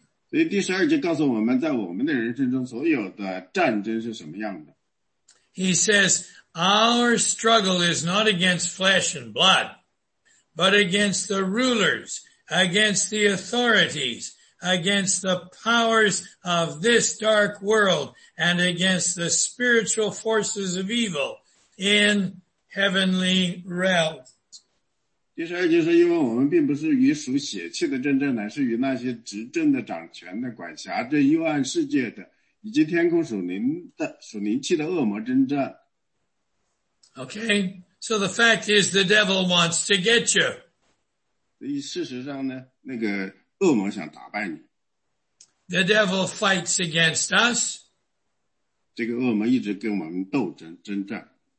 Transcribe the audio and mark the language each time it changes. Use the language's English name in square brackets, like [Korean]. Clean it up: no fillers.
[Chinese] 所以第十二节告诉我们，在我们的人生中所有的战争是什么样的。 [English] He says, our struggle is not against flesh and blood, but against the rulers, against the authorities, against the powers of this dark world and against the spiritual forces of evil in heavenly realms. [Chinese] 第十二就是因为我们并不是与属血气的真正乃是与那些执政的掌权的管辖着幽暗世界的以及天空属灵的属灵气的恶魔真正。 [English] Okay, so the fact is the devil wants to get you. [Chinese] 事实上呢，那个恶魔想打败你。 [English] The devil fights against us. [Chinese] 这个恶魔一直跟我们斗争争战。